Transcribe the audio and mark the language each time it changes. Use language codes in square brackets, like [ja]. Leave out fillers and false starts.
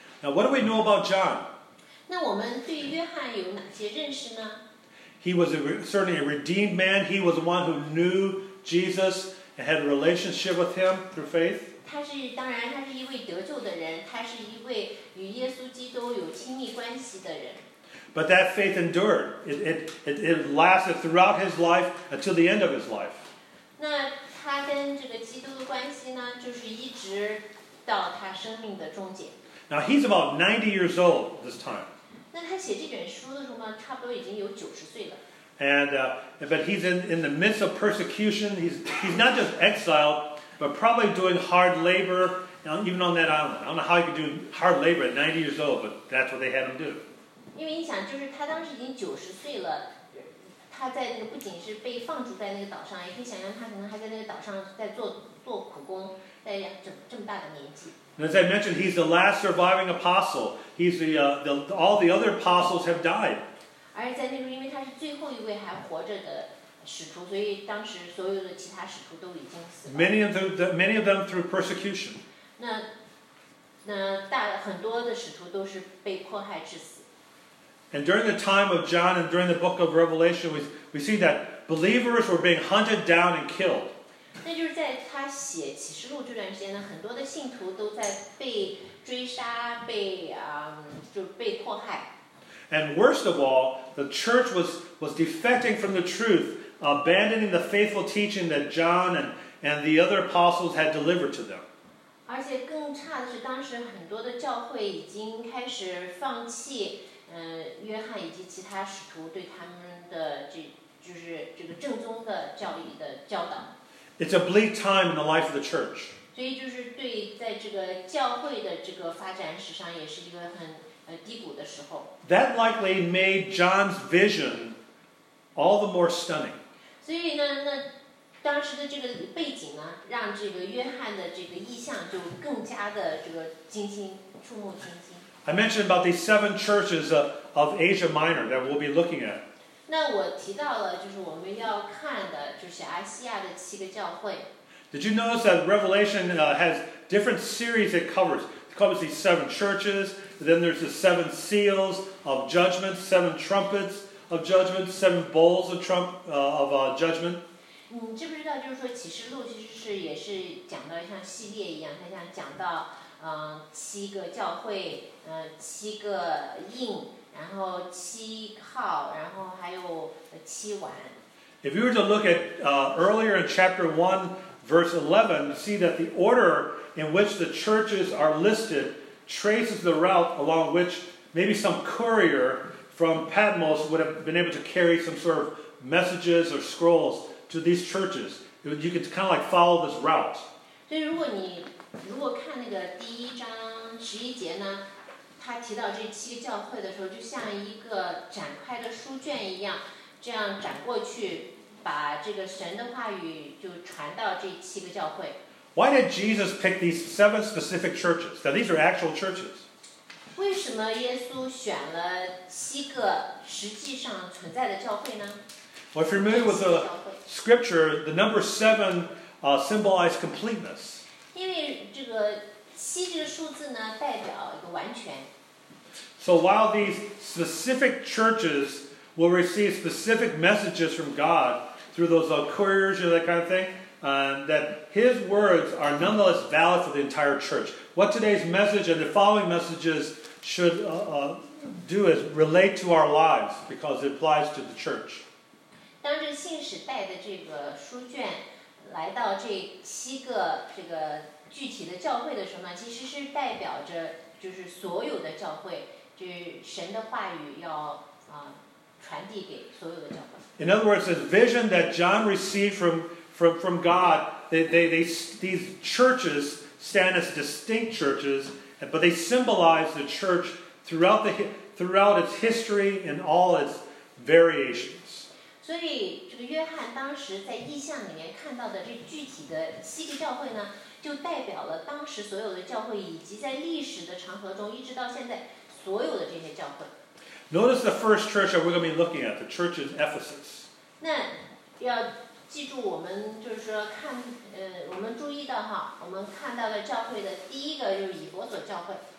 [en] Now what do we know about John? [zh] 那我们对约翰有哪些认识呢？ [en] He was certainly a redeemed man. He was the one who knew Jesus and had a relationship with him through faith. [zh] 他是当然，他是一位得救的人，他是一位与耶稣基督有亲密关系的人。 [en] But that faith endured. It lasted throughout his life until the end of his life. [zh] 那他跟这个基督的关系呢，就是一直到他生命的终结。 [en] Now he's about 90 years old this time. [zh] 那他写这本书的时候呢，差不多已经有90岁了。 [en] And but he's in the midst of persecution. He's not just exiled, but probably doing hard labor, even on that island. I don't know how he could do hard labor at 90 years old, but that's what they had him do. [zh] 因为你想，就是他当时已经90岁了，他在那个不仅是被放逐在那个岛上，也可以想象他可能还在那个岛上在做苦工，在这么大的年纪。 [en] As I mentioned, he's the last surviving apostle. He's the all the other apostles have died. [zh] 而在那个时候，因为他是最后一位还活着的使徒，所以当时所有的其他使徒都已经死了。 [en] Many of them through persecution. [zh] 那大很多的使徒都是被迫害致死。 [en] And during the time of John and during the book of Revelation, we see that believers were being hunted down and killed. [zh] 那就是在他写启示录这段时间呢，很多的信徒都在被追杀，被迫害。 [en] And worst of all, the church was defecting from the truth, abandoning the faithful teaching that John and the other apostles had delivered to them. [zh] 而且更差的是，当时很多的教会已经开始放弃，约翰以及其他使徒对他们的这个正宗的教义的教导。 [en] It's a bleak time in the life of the church. [zh] 所以就是对在这个教会的这个发展史上也是一个很低谷的时候。 [en] That likely made John's vision all the more stunning. [zh] 所以呢，那当时的这个背景呢，让这个约翰的这个意象就更加的这个触目惊心。 [en] I mentioned about these 7 churches of Asia Minor that we'll be looking at. [zh] 那我提到了，就是我们要看的，就是亚细亚的7个教会。 [en] Did you notice that Revelation has different series it covers? It covers these 7 churches, then there's the 7 seals of judgment, 7 trumpets of judgment, 7 bowls of judgment. [zh] 你知不知道，就是说启示录其实是也是讲到像系列一样，它像讲到7个教会，7个印。然后7号，然后还有7碗。 [en] If you were to look at earlier in chapter 1, verse 11, you see that the order in which the churches are listed traces the route along which maybe some courier from Patmos would have been able to carry some sort of messages or scrolls to these churches. You could kind of like follow this route. [zh] 所以如果看那个第一章11节呢，他提到这7个教会的时候，就像一个展开的书卷一样，这样展过去，把这个神的话语就传到这7个教会。 [en] Why did Jesus pick these 7 specific churches? Now these are actual churches. [zh] 为什么耶稣选了7个实际上存在的教会呢？ [en] Well, if you're familiar with the scripture, the number 7 symbolizes completeness. [zh] 因为这个七这个数字呢，代表一个完全。 [en] So while these specific churches will receive specific messages from God through those couriers or that kind of thing, that His words are nonetheless valid for the entire church. What today's message and the following messages should do is relate to our lives because it applies to the church. [zh] 当这个信使带的这个书卷来到这7个具体的教会的时候呢，其实是代表着就是所有的教会，就是神的话语要传递给所有的教会。 [en] In other words, the vision that John received from God, they these churches stand as distinct churches, but they symbolize the church throughout its history and all its variations. [zh] 所以这个约翰当时在异象里面看到的这具体的7个教会呢，就代表了当时所有的教会，以及在历史的长河中，一直到现在所有的这些教会。 [en] Notice the first church that we're going to be looking at, the church in Ephesus. [zh] 那要记住我们就是说看我们注意到哈我们看到了教会的第一个就是以弗所教会。